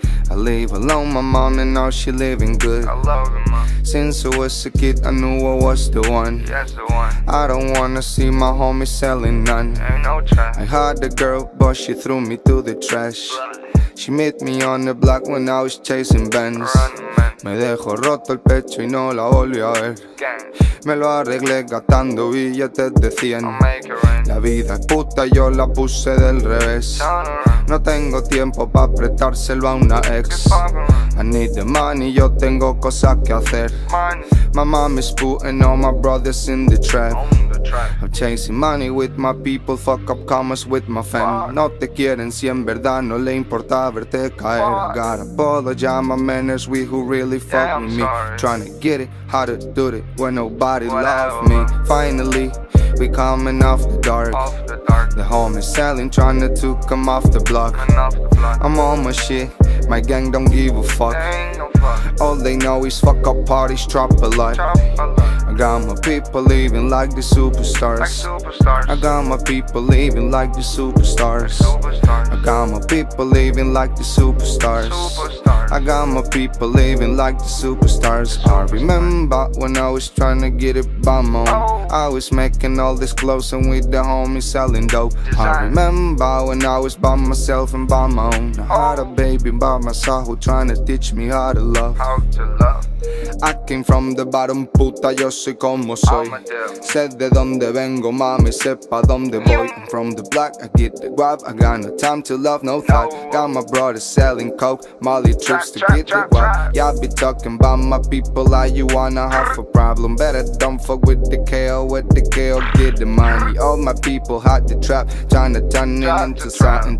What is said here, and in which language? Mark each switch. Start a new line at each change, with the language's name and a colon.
English: I live alone, my mom, and now she living good. I love her, mom. Since I was a kid, I knew I was the one. Yes, the one. I don't wanna see my homie selling none. Ain't no trap. I had a girl, but she threw me to the trash. She met me on the block when I was chasing Benz.
Spanish: Me dejó roto el pecho y no la volví a ver. Me lo arreglé gastando billetes de 100. La vida es puta, yo la puse del revés. No tengo tiempo pa' prestárselo a una ex.
English: I need the money,
Spanish: yo tengo cosas que hacer.
English: My mom is putting all my brothers in the trap. I'm chasing money with my people, fuck up commas with my fam.
Spanish: No te quieren si en verdad no le importa verte caer.
English: I gotta apologize, my man, there's we who really fuck with me. Trying to get it, how to do it when nobody loved me. Finally, we coming off the dark. The home is selling, trying to come off the block. I'm on my shit, my gang don't give a fuck. All they know is fuck up parties, drop a lot. I got my people living like the superstars. I got my people living like the superstars. I got my people living like the superstars. I got my people living like the superstars. I remember when I was trying to get it by my own. I was making all this clothes and with the homies selling dope. I remember when I was by myself and by my own. I had a baby by my side who trying to teach me how to love. How to love. I came from the bottom, puta,
Spanish: yo soy como soy. Sé de donde vengo, mami, sepa donde voy.
English: I'm from the block, I get the guap. I got no time to love, no thought. Got my brother selling coke, Molly trips to get the guap. Yeah, I be talking about my people like you wanna have a problem. Better don't fuck with the KO, with the KO, get the money. All my people hot the trap, tryna turn it into something.